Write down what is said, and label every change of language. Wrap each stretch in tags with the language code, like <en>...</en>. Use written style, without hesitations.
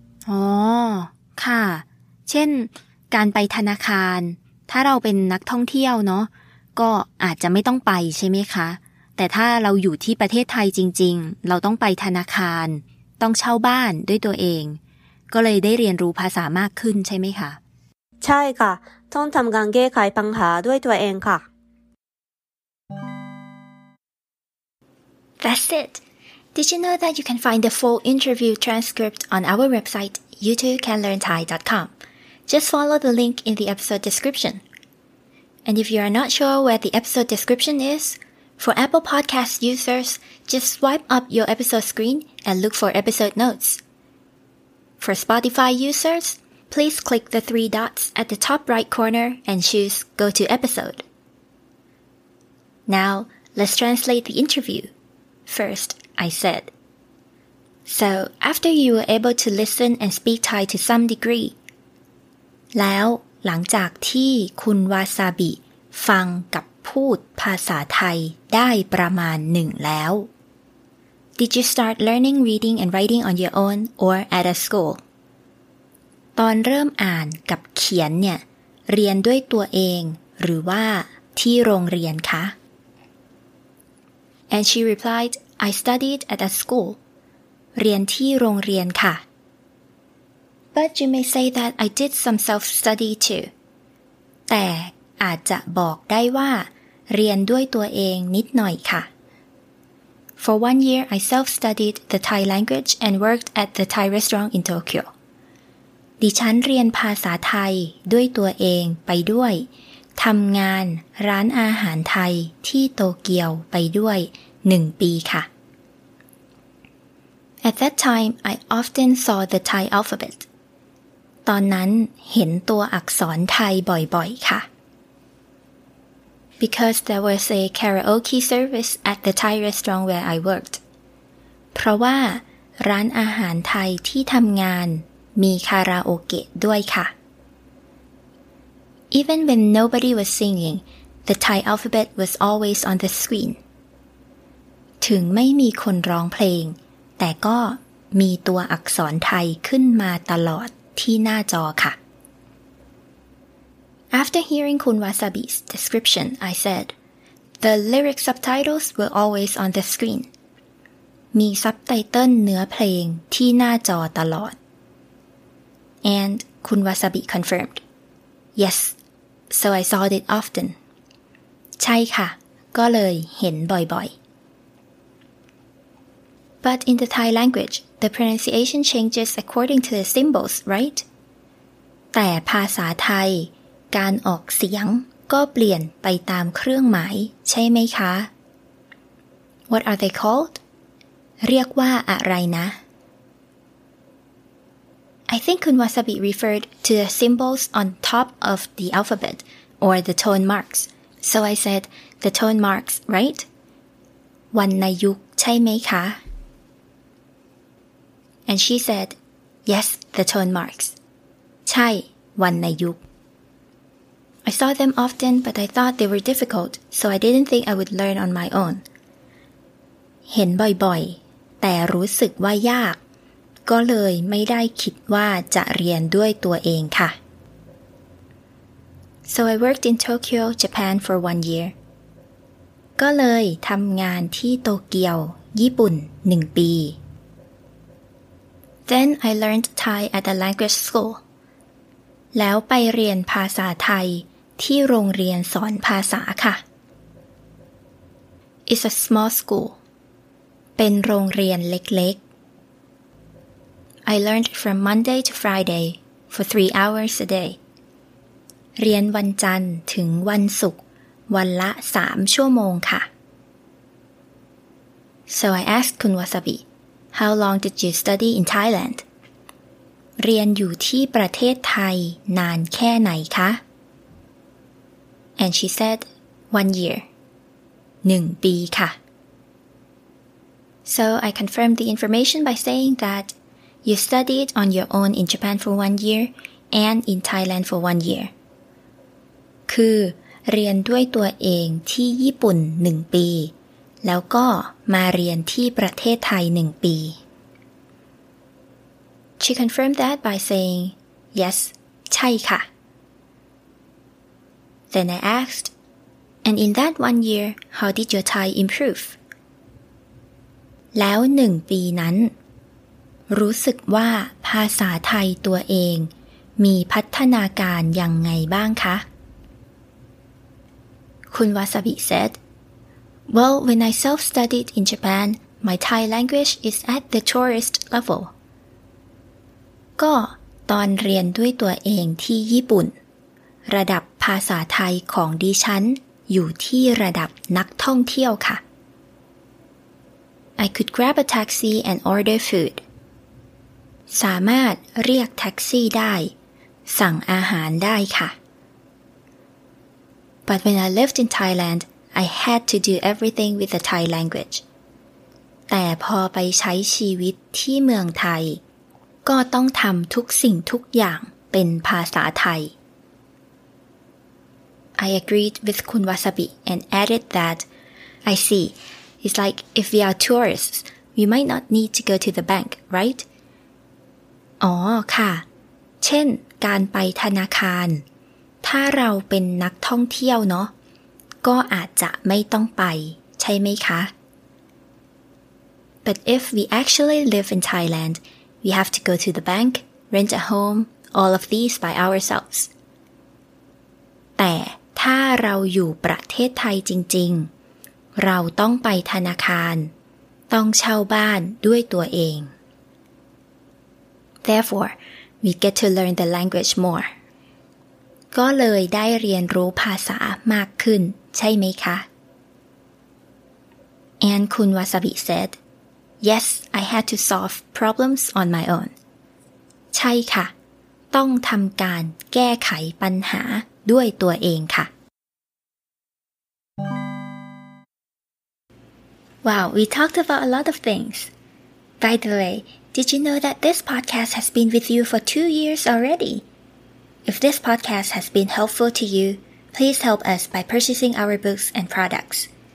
<th>อ๋อค่ะเช่นการไปธนาคารถ้าเราเป็นนักท่องเที่ยวเนาะก็อาจจะไม่ต้องไปใช่ไหมคะแต่ถ้าเราอยู่ที่ประเทศไทยจริงๆเราต้องไปธนาคารต้องเช่าบ้านด้วยตัวเองก็เลยได้เรียนรู้ภาษามากขึ้นใช่ไหมคะ ใช่ค่ะต้องทำการแก้ไขปัญหาด้วยตัวเองค่ะ</th> <en>That's it. Did you know that you can find the full interview transcript on our website youtwocanlearnthai.com? Just follow the link in the episode description. And if you are not sure where the episode description is,For Apple Podcast users, just swipe up your episode screen and look for episode notes. For Spotify users, please click the 3 dots at the top right corner and choose Go to Episode. Now, let's translate the interview. First, I said. So, after you were able to listen and speak Thai to some degree,</en> <th>แล้วหลังจากที่คุณวาซาบิฟังกับพูดภาษาไทยได้ประมาณหนึ่งแล้ว</th> <en>Did you start learning reading and writing on your own or at a school?</en> <th>ตอนเริ่มอ่านกับเขียนเนี่ยเรียนด้วยตัวเองหรือว่าที่โรงเรียนคะ</th> <en>And she replied, I studied at a school.</en> <th>เรียนที่โรงเรียนค่ะ</th> <en>But you may say that I did some self-study too.</en> <th>แต่อาจจะบอกได้ว่าเรียนด้วยตัวเองนิดหน่อยค่ะ</th> <en>For 1 year, I self-studied the Thai language and worked at the Thai restaurant in Tokyo.</en> <th>ดิฉันเรียนภาษาไทยด้วยตัวเองไปด้วยทำงานร้านอาหารไทยที่โตเกียวไปด้วย1 ปีค่ะ</th> <en>At that time, I often saw the Thai alphabet.</en> <th>ตอนนั้นเห็นตัวอักษรไทยบ่อยๆค่ะ</th> <en>Because there was a karaoke service at the Thai restaurant where I worked.</en> <th>เพราะว่าร้านอาหารไทยที่ทำงานมีคาราโอเกะด้วยค่ะ</th> <en>Even when nobody was singing, the Thai alphabet was always on the screen.</en> <th>ถึงไม่มีคนร้องเพลงแต่ก็มีตัวอักษรไทยขึ้นมาตลอดที่หน้าจอค่ะ</th> <en>After hearing Kun Wasabi's description, I said, The lyric subtitles were always on the screen.</en> <th>มีซับไตเติ้ลเนื้อเพลงที่หน้าจอตลอด</th> <en>And Kun Wasabi confirmed, Yes, so I saw it often.</en> <th>ใช่ค่ะก็เลยเห็นบ่อยๆ</th> <en>But in the Thai language, the pronunciation changes according to the symbols, right?</en> <th>แต่ภาษาไทยการออกเสียงก็เปลี่ยนไปตามเครื่องหมายใช่ไหมคะ</th> <en>What are they called?</en> <th>เรียกว่าอะไรนะ</th> <en>I think Kun Wasabi referred to the symbols on top of the alphabet or the tone marks. So I said the tone marks, right?</en> <th>วรรณยุกต์ใช่ไหมคะ</th> <en>And she said, yes, the tone marks.</en> <th>ใช่วรรณยุกต์</th> <en>I saw them often, but I thought they were difficult, so I didn't think I would learn on my own.</en> <th>เห็นบ่อยๆแต่รู้สึกว่ายากก็เลยไม่ได้คิดว่าจะเรียนด้วยตัวเองค่ะ</th> <en>So I worked in Tokyo, Japan for 1 year.</en> <th>ก็เลยทำงานที่โตเกียวญี่ปุ่น1 ปี</th> <en>Then I learned Thai at a language school.</en> <th>แล้วไปเรียนภาษาไทยที่โรงเรียนสอนภาษาค่ะ</th> <en>It's a small school.</en> <th>เป็นโรงเรียนเล็ก</th> <en>ๆ I learned from Monday to Friday for 3 hours a day.</en> <th>เรียนวันจันทร์ถึงวันศุกร์วันละ3 ชั่วโมงค่ะ</th> <en>So I asked Kun Wasabi. How long did you study in Thailand?</en> <th>เรียนอยู่ที่ประเทศไทยนานแค่ไหนคะ</th> <en>And she said, 1 year.</en> <th>1 ปีค่ะ</th> <en>So I confirmed the information by saying that you studied on your own in Japan for 1 year and in Thailand for 1 year.</en> <th>คือเรียนด้วยตัวเองที่ญี่ปุ่น1 ปีแล้วก็มาเรียนที่ประเทศไทย1 ปี</th> <en>She confirmed that by saying, yes,</en> <th>ใช่ค่ะ</th> <en>Then I asked, and in that 1 year, how did your Thai improve?</en> <th>แล้ว1 ปีนั้นรู้สึกว่าภาษาไทยตัวเองมีพัฒนาการยังไงบ้างคะ</th> <en>Kun Wasabi said,Well, when I self-studied in Japan, my Thai language is at the tourist level.</en> <th>ก็ตอนเรียนด้วยตัวเองที่ญี่ปุ่นระดับภาษาไทยของดิฉันอยู่ที่ระดับนักท่องเที่ยวค่ะ</th> <en>I could grab a taxi and order food.</en> <th>สามารถเรียกแท็กซี่ได้สั่งอาหารได้ค่ะ</th> <en>But when I lived in Thailand,I had to do everything with the Thai language.</en> <th>แต่พอไปใช้ชีวิตที่เมืองไทยก็ต้องทำทุกสิ่งทุกอย่างเป็นภาษาไทย</th> <en>I agreed with Kun Wasabi and added that, I see, it's like if we are tourists, we might not need to go to the bank, right?</en> <th>อ๋อค่ะ เช่นการไปธนาคารถ้าเราเป็นนักท่องเที่ยวเนาะก็อาจจะไม่ต้องไปใช่ไหมคะ</th> <en>But if we actually live in Thailand we have to go to the bank rent a home all of these by ourselves</en> <th>แต่ถ้าเราอยู่ประเทศไทยจริงๆเราต้องไปธนาคารต้องเช่าบ้านด้วยตัวเอง</th> <en>Therefore, we get to learn the language more.</en> <th>ก็เลยได้เรียนรู้ภาษามากขึ้นใช่ไหมคะ</th> <en>And Kun Wasabi said, Yes, I had to solve problems on my own.</en> <th>ใช่ค่ะต้องทำการแก้ไขปัญหาด้วยตัวเองค่ะ</th> <en>Wow, we talked about a lot of things. By the way, did you know that this podcast has been with you for 2 years already? If this podcast has been helpful to you, please help us by purchasing our books and products.</en>